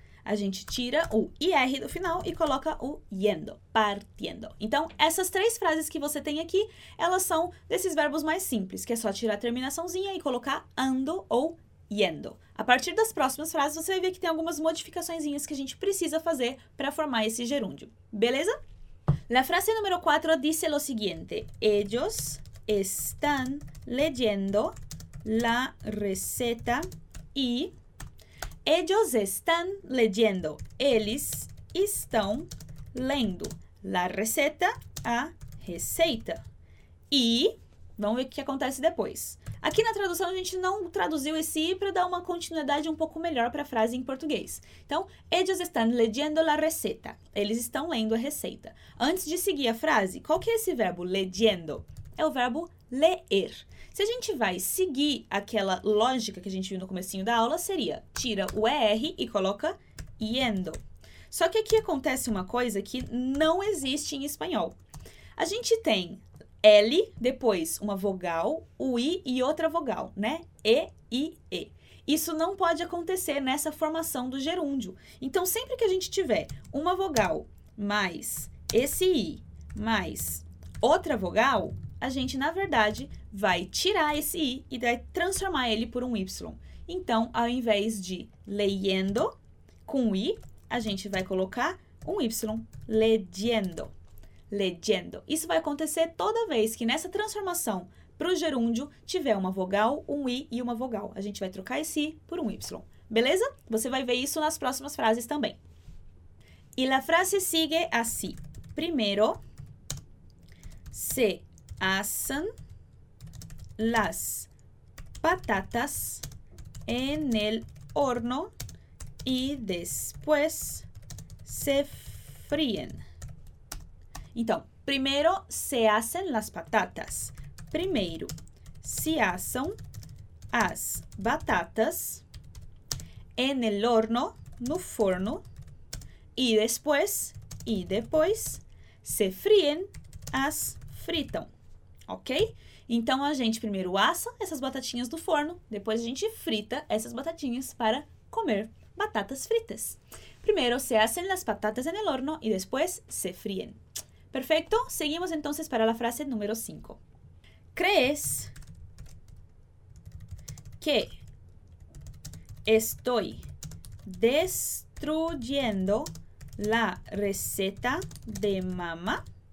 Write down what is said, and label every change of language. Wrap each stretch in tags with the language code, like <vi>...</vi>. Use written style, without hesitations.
<pt>a gente tira o IR do final e coloca o yendo, partiendo. Então, essas três frases que você tem aqui, elas são desses verbos mais simples, que é só tirar a terminaçãozinha e colocar ando ou yendo. A partir das próximas frases, você vai ver que tem algumas modificaçõezinhas que a gente precisa fazer para formar esse gerúndio. Beleza?</pt> <es>La frase número 4 dice lo siguiente. Ellos están leyendo la receta y... Ellos están leyendo.</es> <pt>Eles estão lendo</pt> <es>la receta,</es> <pt>a receita. E vamos ver o que acontece depois. Aqui na tradução, a gente não traduziu esse I para dar uma continuidade um pouco melhor para a frase em português.</pt> <es>Então, ellos están leyendo la receta.</es> <pt>Eles estão lendo a receita. Antes de seguir a frase, qual que é esse verbo leyendo? É o verbo leer. Se a gente vai seguir aquela lógica que a gente viu no comecinho da aula, seria tira o ER e coloca yendo. Só que aqui acontece uma coisa que não existe em espanhol. A gente tem L, depois uma vogal, o I e outra vogal, né? E, I, E. Isso não pode acontecer nessa formação do gerúndio. Então, sempre que a gente tiver uma vogal mais esse I mais outra vogal, a gente, na verdade, vai tirar esse I e vai transformar ele por um Y. Então, ao invés de leyendo com I, a gente vai colocar um Y, leyendo. Leyendo. Isso vai acontecer toda vez que nessa transformação para o gerúndio tiver uma vogal, um I e uma vogal. A gente vai trocar esse I por um Y. Beleza? Você vai ver isso nas próximas frases também.</pt> <es>E la frase sigue así. Primeiro, se asan las patatas en el horno y después se fríen.</es> <pt>Então, primeiro</pt> <es>se asan las patatas.</es> <pt>Primeiro se asam as batatas</pt> <es>en el horno,</es> <pt>no forno, e depois</pt> <es>se fríen,</es> <pt>as fritam. Ok? Então, a gente primeiro assa essas batatinhas do forno, depois a gente frita essas batatinhas para comer batatas fritas.</pt> <es>Primeiro se hacen las patatas en el horno y después se fríen. Perfecto?</es> <pt>Seguimos, então, para a frase número 5.</pt> <es>¿Crees que estoy destruyendo la receta de mamá?</es>